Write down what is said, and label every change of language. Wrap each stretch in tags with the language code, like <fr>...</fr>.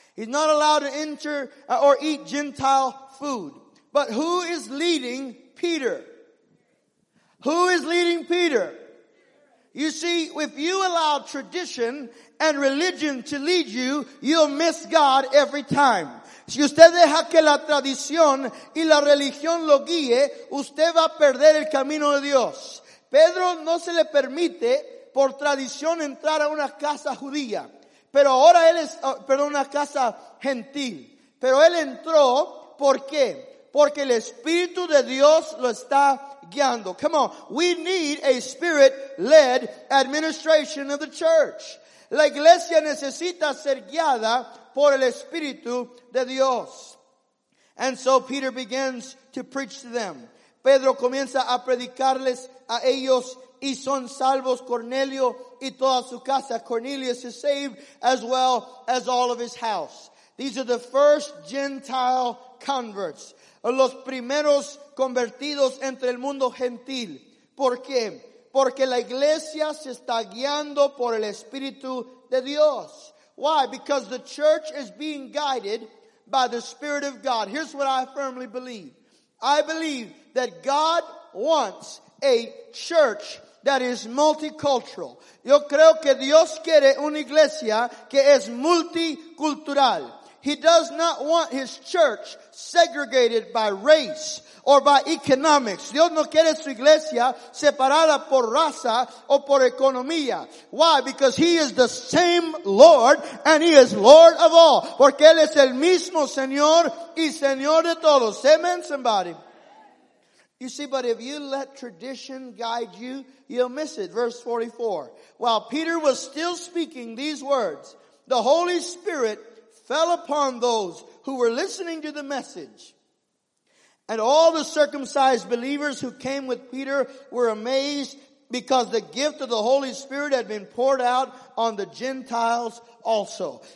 <en>He's not allowed to enter or eat Gentile food. But who is leading Peter? Who is leading Peter? You see, if you allow tradition and religion to lead you, you'll miss God every time.</en> <es>Si usted deja que la tradición y la religión lo guíe, usted va a perder el camino de Dios. Pedro no se le permite por tradición entrar a una casa judía. Pero ahora él es, una casa gentil. Pero él entró, ¿por qué? Porque el Espíritu de Dios lo está guiando.</es> <en>Come on. We need a Spirit-led administration of the church.</en> <es>La iglesia necesita ser guiada por el Espíritu de Dios.</es> <en>And so Peter begins to preach to them.</en> <es>Pedro comienza a predicarles a ellos y son salvos. Cornelio y toda su casa.</es> <en>Cornelius is saved as well as all of his house. These are the first Gentile converts.</en> <es>Los primeros convertidos entre el mundo gentil. ¿Por qué? Porque la iglesia se está guiando por el Espíritu de Dios.</es> <en>Why? Because the church is being guided by the Spirit of God. Here's what I firmly believe. I believe that God wants a church that is multicultural.</en> <es>Yo creo que Dios quiere una iglesia que es multicultural.</es> <en>He does not want his church segregated by race or by economics.</en> <es>Dios no quiere su iglesia separada por raza o por economía.</es> <en>Why? Because he is the same Lord and he is Lord of all.</en> <es>Porque él es el mismo Señor y Señor de todos.</es> <en>Amen, somebody. You see, but if you let tradition guide you, you'll miss it. Verse 44. While Peter was still speaking these words, the Holy Spirit fell upon those who were listening to the message. And all the circumcised believers who came with Peter were amazed because the gift of the Holy Spirit had been poured out on the Gentiles also.</en>